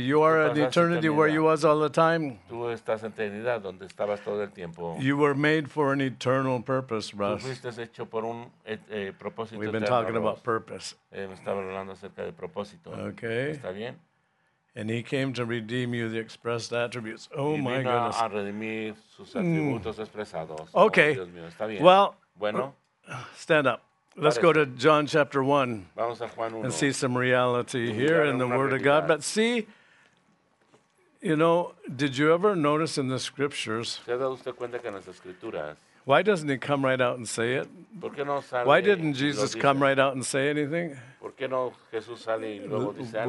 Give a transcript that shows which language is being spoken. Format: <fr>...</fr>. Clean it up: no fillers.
<en>You are in eternity where you was all the time.</en> <es>Tú estás en eternidad donde estabas todo el tiempo.</es> <en>You were made for an eternal purpose, Russ.</en> <es>Tú fuiste hecho por un propósito eterno.</es> <en>We've been talking about purpose.</en> <es>Estaba hablando acerca de propósito.</es> <en>Okay.</en> <es>Está bien.</es> <en>And he came to redeem you, the expressed attributes. Oh, my goodness.</en> <es>A redimir sus atributos expresados.</es> <en>Okay.</en> <es>Oh, Dios mío, está bien.</es> <en>Well,</en> <es>bueno,</es> <en>stand up. Let's go to John chapter 1.</en> <es>Vamos a Juan 1.</es> <en>And see some reality here in the Word</en> <es>realidad.</es> <en>Of God. But see, you know, did you ever notice in the Scriptures,</en> <es>¿se ha dado usted cuenta que en las Escrituras,</es> <en>why doesn't he come right out and say it?</en> <es>¿Por qué no sale</es> <en>why didn't Jesus come right out and say anything?</en> <es>¿Por qué no Jesús sale y luego dice algo?</es>